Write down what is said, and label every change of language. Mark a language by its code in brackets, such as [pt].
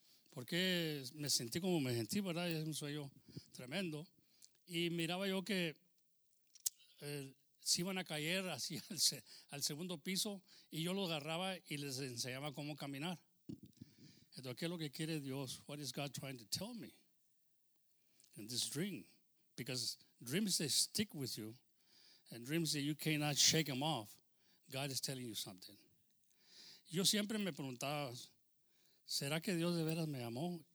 [es] Porque me sentí como me sentí, ¿verdad? Y es un sueño tremendo. Y miraba yo que se iban a caer hacia al segundo piso y yo los agarraba y les enseñaba cómo caminar. Entonces, ¿qué es lo que quiere Dios? [en] What is God trying to tell me in this dream? Because dreams, they stick with you, and dreams that you cannot shake them off. God is telling you something. [es] Yo siempre me preguntaba, ¿será que Dios de veras me amó?